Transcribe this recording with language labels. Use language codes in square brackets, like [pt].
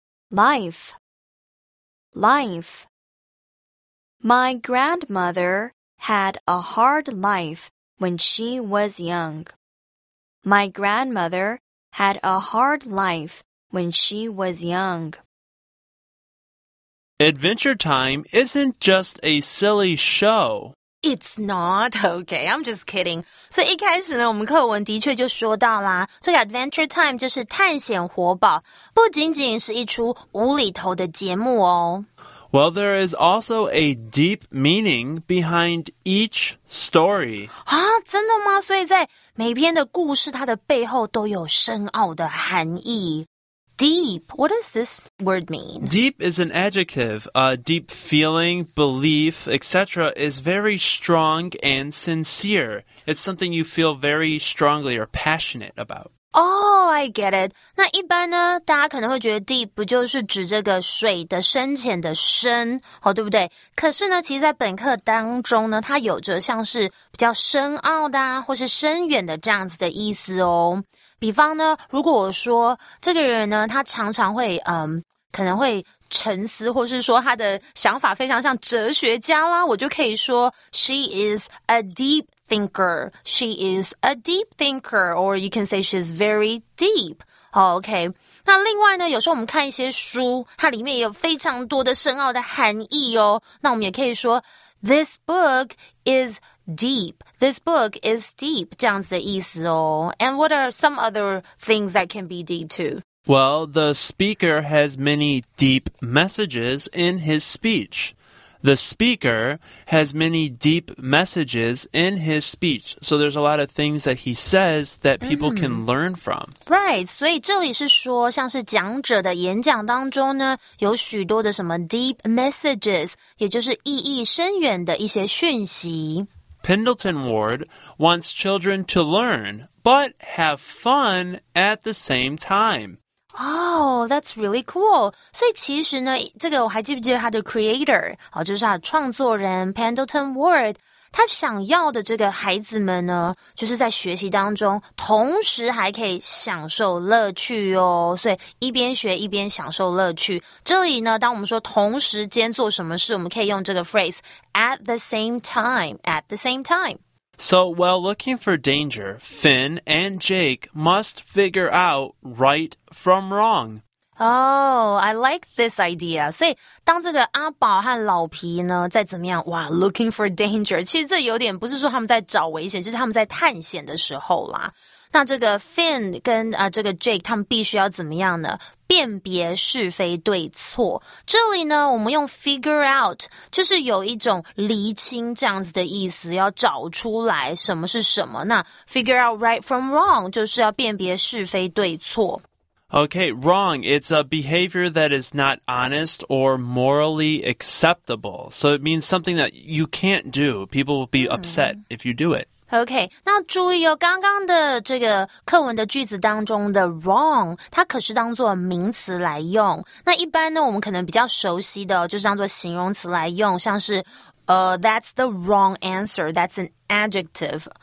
[en] Life, life. My grandmother had a hard life when she was young. My grandmother had a hard life when she was young. Adventure Time isn't just a silly show. It's not. Okay, I'm just kidding. [zh] 所以一开始呢，我们课文的确就说到啦，这个 Adventure Time 就是探险活宝，不仅仅是一出无厘头的节目哦。 [en] Well, there is also a deep meaning behind each story. [zh] 啊，真的吗？所以在每篇的故事，它的背后都有深奥的含义。 [en] Deep, what does this word mean? Deep is an adjective. Deep feeling, belief, etc. is very strong and sincere. It's something you feel very strongly or passionate about. Oh, I get it. [zh] 那一般呢，大家可能会觉得 deep 不就是指这个水的深浅的深，好，对不对？可是呢，其实在本课当中呢，它有着像是比较深奥的啊，或是深远的这样子的意思哦。比方呢，如果我说这个人呢，他常常会可能会沉思，或是说他的想法非常像哲学家啦，我就可以说 [en] she is a deep thinker. She is a deep thinker, or you can say she's very deep. OK. [zh] 那另外呢，有时候我们看一些书，它里面也有非常多的深奥的含义哦。那我们也可以说 [en] this book is deep. This book is deep. [zh] 这样子的意思哦。 [en] And what are some other things that can be deep too? Well, the speaker has many deep messages in his speech. The speaker has many deep messages in his speech. So there's a lot of things that he says that people can learn from. [zh] Right, 所以这里是说像是讲者的演讲当中呢有许多的什么 deep messages, 也就是意义深远的一些讯息。 [en] Pendleton Ward wants children to learn, but have fun at the same time. Oh, that's really cool. [zh] 所以其实呢，这个我还记不记得他的 creator, 就是他的创作人 Pendleton Ward, 他想要的这个孩子们呢，就是在学习当中同时还可以享受乐趣哦。所以一边学一边享受乐趣。这里呢，当我们说同时间做什么事，我们可以用这个 phrase, [en] at the same time, at the same time. So while looking for danger, Finn and Jake must figure out right from wrong. Oh, I like this idea. [zh] 所以当这个阿宝和老皮呢在怎么样哇 [en] looking for danger, [zh] 其实这有点不是说他们在找危险就是他们在探险的时候啦。那这个 Finn 跟这个 Jake 他们必须要怎么样呢辨别是非对错。这里呢我们用 figure out, 就是有一种厘清这样子的意思要找出来什么是什么。那 [en] figure out right from wrong, [zh] 就是要辨别是非对错。 [en] Okay, wrong. It's a behavior that is not honest or morally acceptable. So it means something that you can't do. People will be upset if you do it. [zh] OK, 那注意哦刚刚的这个课文的句子当中的 wrong, 它可是当作名词来用。那一般呢我们可能比较熟悉的就是当作形容词来用像是 [en] that's the wrong answer, that's an adjective.